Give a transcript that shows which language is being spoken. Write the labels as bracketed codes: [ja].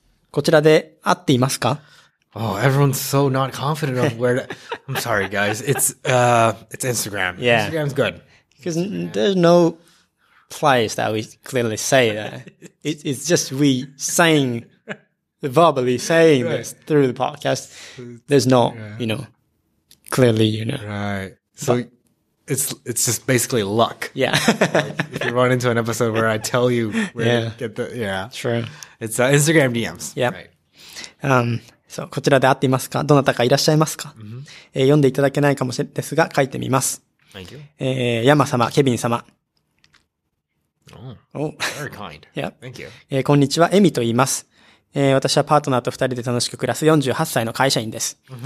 [ja] こちらで会っていますか? [en] Oh, everyone's so not confident of where to... I'm sorry, guys. It's Instagram. Yeah. Instagram's good. Because there's no place that we clearly say that. It's just we saying, verbally saying this through the podcast. There's not, you know, clearly, you know. Right. So... But, It's just basically luck. Yeah. Like if you run into an episode where I tell you where to get the... Yeah. True. It's Instagram DMs. Yeah. Right. [ja] So, こちらで会っていますか?どなたかいらっしゃいますか?読んでいただけないかもしれないですが、書いてみます。 [en] Thank you. [ja] 山様、ケビン様。 [en] Oh, very kind. Yeah. Thank you. [ja] こんにちは、エミと言います。私はパートナーと二人で楽しく暮らす48歳の会社員です。